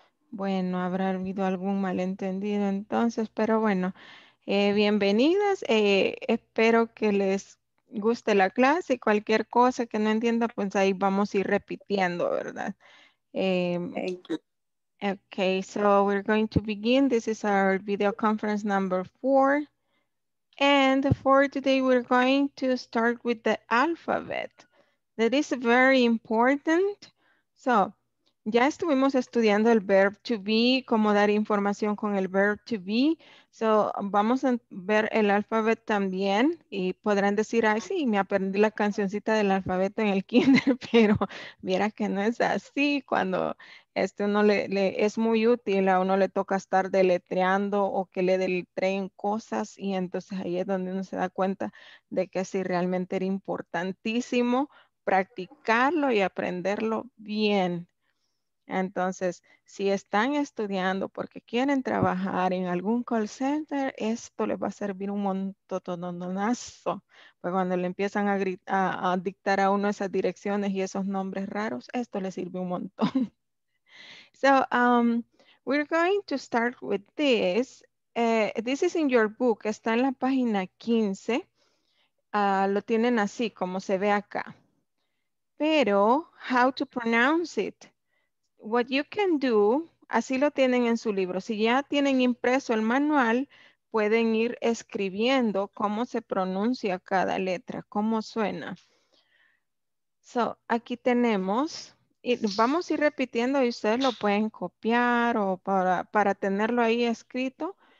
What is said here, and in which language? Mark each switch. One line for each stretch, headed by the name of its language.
Spanish: Bueno, habrá habido algún malentendido entonces, pero bueno, bienvenidas, espero que les guste la clase y cualquier cosa que no entienda, pues ahí vamos a ir repitiendo, ¿verdad?
English: Thank you. Okay, so we're going to begin. This is our video conference number 4. And for today, we're going to start with the alphabet. That is very important. So,
Spanish: Ya estuvimos estudiando el verb to be, cómo dar información con el verb to be. So, vamos a ver el alfabeto también y podrán decir, ay, sí, me aprendí la cancioncita del alfabeto en el kinder, pero viera que no es así. Cuando uno le es muy útil, a uno le toca estar deletreando o que le deletreen cosas, y entonces ahí es donde uno se da cuenta de que sí, realmente era importantísimo practicarlo y aprenderlo bien. Entonces, si están estudiando porque quieren trabajar en algún call center, esto les va a servir un montononazo. Pues cuando le empiezan a dictar a uno esas direcciones y esos nombres raros, esto les sirve un montón.
English: So, we're going to start with this. This is in your book.
Spanish: Está en la página 15. Lo tienen así, como se ve acá.
English: Pero, how to pronounce it? What you can do,
Spanish: así lo tienen en su libro. Si ya tienen impreso el manual, pueden ir escribiendo cómo se pronuncia cada letra, cómo suena. So, aquí tenemos, y vamos a ir repitiendo y ustedes lo pueden copiar o para tenerlo ahí escrito.